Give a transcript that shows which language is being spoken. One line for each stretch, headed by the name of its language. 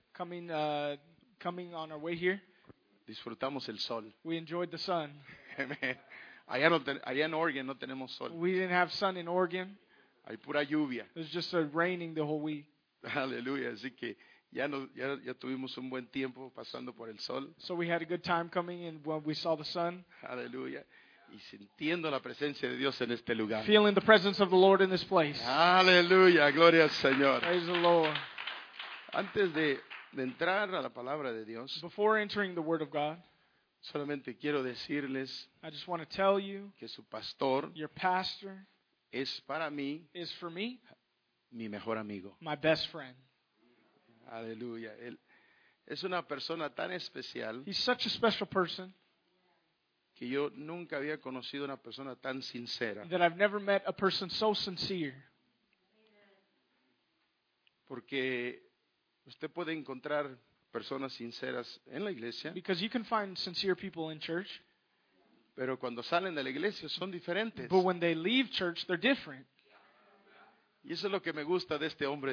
English: Coming on our way here.
Spanish: Disfrutamos el sol.
English: We enjoyed the sun.
Spanish: Allá en Oregon no tenemos sol.
English: We didn't have sun in Oregon.
Spanish: Hay pura lluvia.
English: It was just raining the whole week.
Spanish: Aleluya. Así que ya tuvimos un buen tiempo pasando por el sol.
English: So we had a good time coming and when we saw the sun.
Spanish: Aleluya. Y sintiendo la presencia de Dios en este lugar.
English: Feeling the presence of the Lord in this place.
Spanish: Aleluya. Gloria al Señor.
English: Praise the Lord.
Spanish: Antes de entrar a la palabra de Dios.
English: Before entering the word of God.
Spanish: Solamente quiero decirles.
English: I just want to tell you.
Spanish: Que su pastor.
English: Your pastor.
Spanish: Es para mí.
English: Is for me.
Spanish: Mi mejor amigo.
English: My best friend.
Spanish: Aleluya. Él es una persona tan especial.
English: He's such a special person.
Spanish: Que yo nunca había conocido una persona tan sincera.
English: That I've never met a person so sincere.
Spanish: Porque usted puede encontrar personas sinceras en la iglesia.
English: Because you can find sincere people in church.
Spanish: Pero cuando salen de la iglesia son diferentes.
English: But when they leave church, they're different.
Spanish: Y eso es lo que me gusta de este hombre